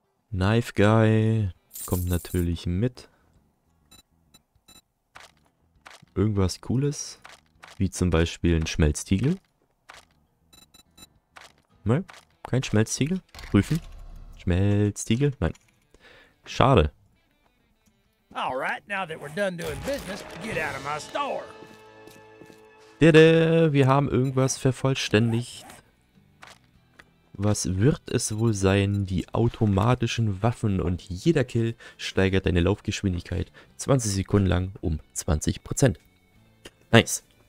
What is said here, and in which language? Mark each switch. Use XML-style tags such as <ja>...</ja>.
<de>Knife Guy kommt natürlich mit. Irgendwas Cooles. Wie zum Beispiel ein Schmelztiegel. Nein, kein Schmelztiegel. Prüfen. Schmelztiegel? Nein. Schade.</de> <en>Alright, now that we're done doing business, get out of my store.</en> <de>Wir haben irgendwas vervollständigt. Was wird es wohl sein? Die automatischen Waffen und jeder Kill steigert deine Laufgeschwindigkeit 20 Sekunden lang um 20%. Nice.</de>